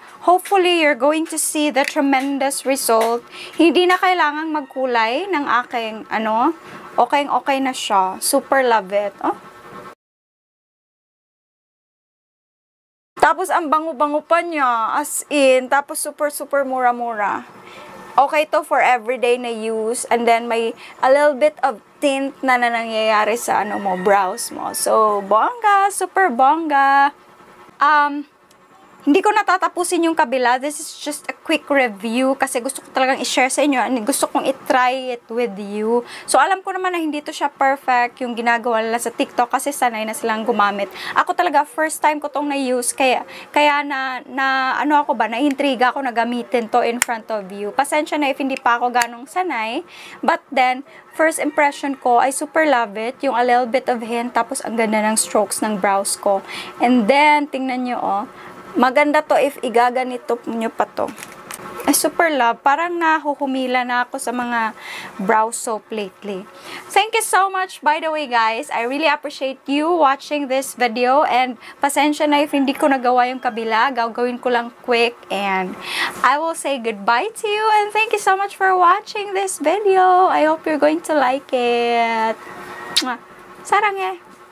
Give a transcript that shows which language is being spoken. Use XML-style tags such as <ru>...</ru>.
<en>Hopefully, you're going to see the tremendous result.</en> <tl>Hindi na kailangang magkulay ng aking, ano, okay na siya.</tl> <en>Super love it.</en> <tl>Oh. Tapos, ang bango-bango pa niya. As in, tapos super mura-mura. Okay to</tl> <en>for everyday</en> <tl>na use. And then, may</tl> <en>a little bit of tint</en> <tl>na nangyayari sa, ano mo, brows mo. So, bongga! Super bongga! Hindi ko natatapusin yung kabila.</tl> <en>This is just a quick review</en> <tl>kasi gusto ko talagang i-share sa inyo</tl> <en>and</en> <tl>gusto kong i-try</tl> <en>it with you.</en> <tl>So, alam ko naman na hindi to siya perfect yung ginagawa nila sa TikTok kasi sanay na silang gumamit. Ako talaga, first time ko tong na-use kaya na-intriga ako na gamitin to in front of you. Pasensya na if hindi pa ako ganong sanay.</tl> <en>But then, first impression ko, I super love it.</en> <tl>Yung</tl> <en>a little bit of hint</en> <tl>tapos ang ganda ng strokes ng brows ko. And then, tingnan nyo oh. Maganda to if igaganito nyo pa to.</tl> <en>I super love.</en> <tl>Parang nahuhumila na ako sa mga brow soap lately.</tl> <en>Thank you so much, by the way, guys. I really appreciate you watching this video. And</en> <tl>pasensya na if hindi ko nagawa yung kabila. Gagawin ko lang</tl> <en>quick. And I will say goodbye to you. And thank you so much for watching this video. I hope you're going to like it. Sarang eh.</en>